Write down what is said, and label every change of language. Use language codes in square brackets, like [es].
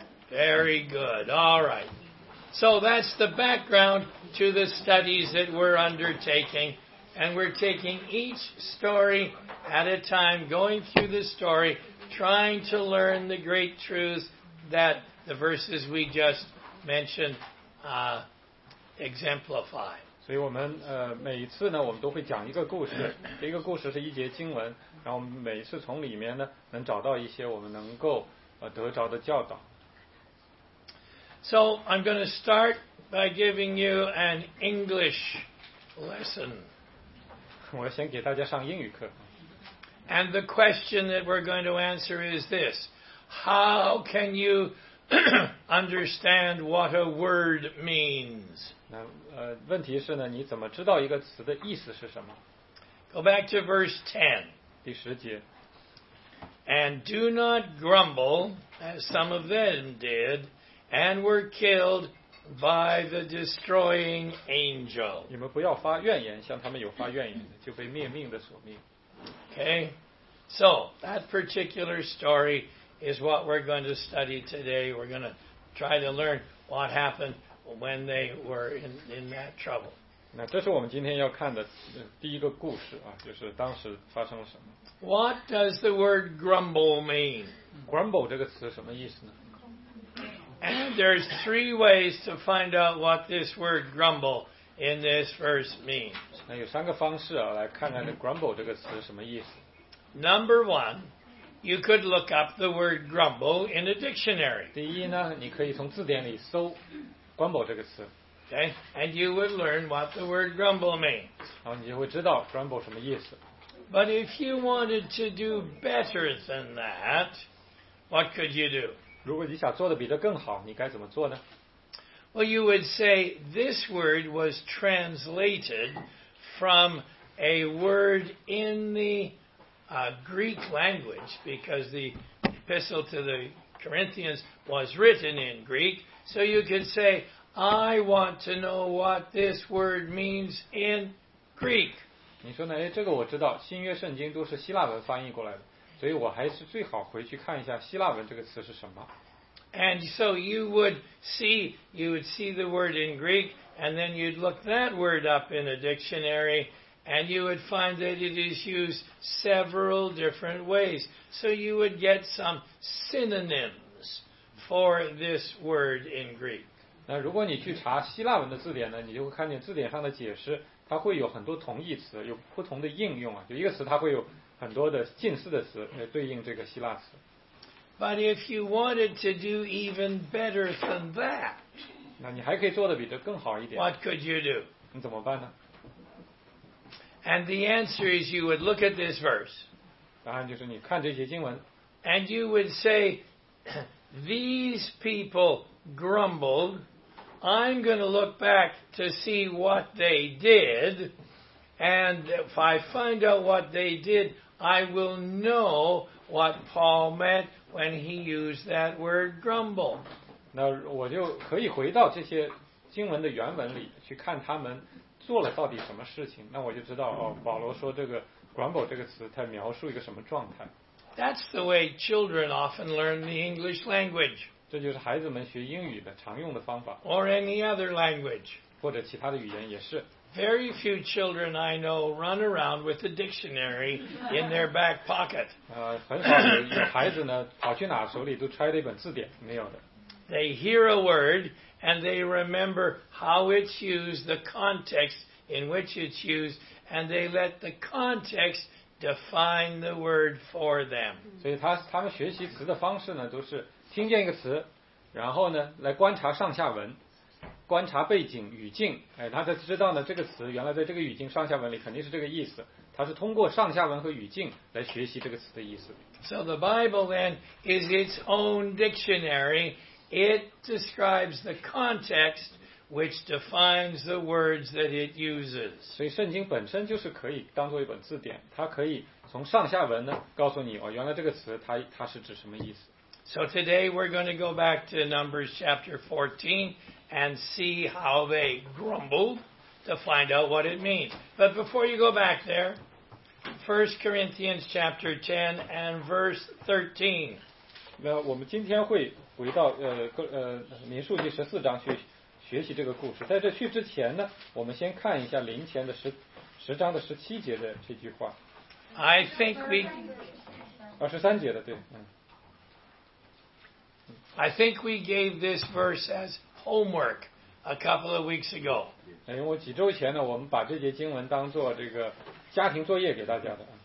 [en] Very good. All right. So that's the background to the studies that we're undertaking. And we're taking each story at a time, going through the story, trying to learn the great truths that the verses we just mentioned exemplify. [zh] 所以我们每一次呢，我们都会讲一个故事，这个故事是一节经文，然后每一次从里面呢，能找到一些我们能够得着的教导。 [en] So I'm going to start by giving you an English lesson. [zh] 我先给大家上英语课。 [en] And the question that we're going to answer is this: How can you understand what a word means? [zh] 那问题是呢，你怎么知道一个词的意思是什么？ [en] Go back to verse 10. [zh] 第十节。 [en] And do not grumble as some of them did. And were killed by the destroying angel. [zh] 你们不要发怨言，像他们有发怨言的，就被灭命的所灭。 [en] Okay, so that particular story is what we're going to study today. We're going to try to learn what happened when they were in that trouble. [zh] 那这是我们今天要看的第一个故事啊，就是当时发生了什么。 [en] What does the word grumble mean? [zh] Grumble 这个词什么意思呢？ [en] And there's three ways to find out what this word grumble in this verse means. [zh] 那有三个方式啊，来看看这 grumble 这个词什么意思。 [en] Number one, you could look up the word grumble in a dictionary. [zh] 第一呢，你可以从字典里搜 grumble 这个词。 [en] Okay, and you would learn what the word grumble means. [zh] 然后你就会知道 grumble 什么意思。 [en] But if you wanted to do better than that, what could you do? [zh] 如果你想做的比这更好，你该怎么做呢？ [en] Well, you would say this word was translated from a word in the Greek language, because the epistle to the Corinthians was written in Greek. So you could say, I want to know what this word means in Greek. [zh] 你说呢，哎，这个我知道，新约圣经都是希腊文翻译过来的，所以我还是最好回去看一下希腊文这个词是什么。 [en] And so you would see the word in Greek, and then you'd look that word up in a dictionary, and you would find that it is used several different ways. So you would get some synonyms for this word in Greek. [zh] 那如果你去查希腊文的字典呢，你就会看见字典上的解释，它会有很多同义词，有不同的应用啊。就一个词，它会有很多的近似的词来对应这个希腊词。 [en] But if you wanted to do even better than that, [zh] 那你还可以做得比这更好一点。 [en] What could you do? [zh] 你怎么办呢？ [en] And the answer is you would look at this verse. [zh] 答案就是你看这些经文。 [en] And you would say, these people grumbled. I'm going to look back to see what they did. And if I find out what they did, I will know what Paul meant when he used that word grumble. [zh] 那我就可以回到这些经文的原文里去看他们做了到底什么事情，那我就知道，哦，保罗说这个 grumble 这个词它描述一个什么状态。 [en] That's the way children often learn the English language. [zh] 这就是孩子们学英语的常用的方法。 [en] Or any other language. [zh] 或者其他的语言也是。 [en] Very few children I know run around with a dictionary in their back pocket. [zh] 很少有孩子呢跑去哪手里都揣着一本字典，没有的。 [en] They hear a word and they remember how it's used, the context in which it's used, and they let the context define the word for them. [zh] 所以他们学习词的方式呢，都是听见一个词，然后呢来观察上下文，观察背景语境，哎，他才知道呢这个词原来在这个语境上下文里肯定是这个意思。他是通过上下文和语境来学习这个词的意思。 [en] So the Bible then is its own dictionary. It describes the context which defines the words that it uses. [zh] 所以圣经本身就是可以当作一本字典，它可以从上下文呢告诉你，哦，原来这个词它是指什么意思。 [en] So today we're going to go back to Numbers chapter 14 and see how they grumbled to find out what it means. But before you go back there, 1 Corinthians chapter 10 and verse 13. [zh] 那我们今天会回到民数记十四章去学习这个故事。在这去之前呢，我们先看一下临前的十章的十七节的这句话。 [en] I think we [zh] 23节的对，嗯。 [en] I think we gave this verse as homework a couple of weeks ago。 [zh] 因为我几周前呢，我们把这节经文当做这个家庭作业给大家的。